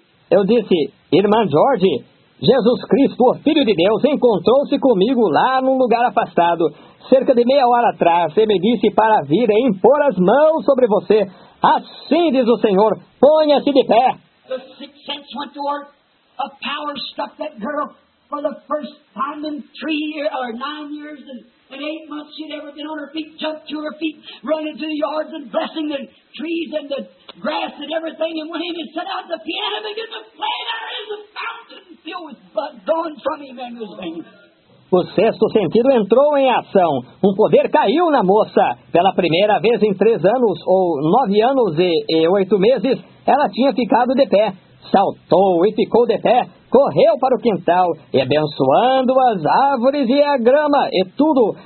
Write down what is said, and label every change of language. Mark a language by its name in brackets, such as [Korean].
[Portuguese] Eu disse, irmã George, Jesus Cristo, o Filho de Deus, encontrou-se comigo lá num lugar afastado. Cerca de meia hora atrás, ele me disse para vir e impor as mãos sobre você. Assim diz o Senhor, ponha-se de pé. [English] The sixth sense went to work. A power struck that girl for the first time in 9 years and 8 months she'd ever been on her feet, jumped to her feet, ran into the yards and blessing the trees and the grass and everything, and went in and set out the piano and began to play. There is a fountain filled with blood going from him and his veins. [Portuguese] O sexto sentido entrou em ação. Um poder caiu na moça. Pela primeira vez em 3 anos, ou 9 anos e 8 meses, ela tinha ficado de pé. Saltou e ficou de pé. Correu para o quintal, e abençoando as árvores e a grama e tudo.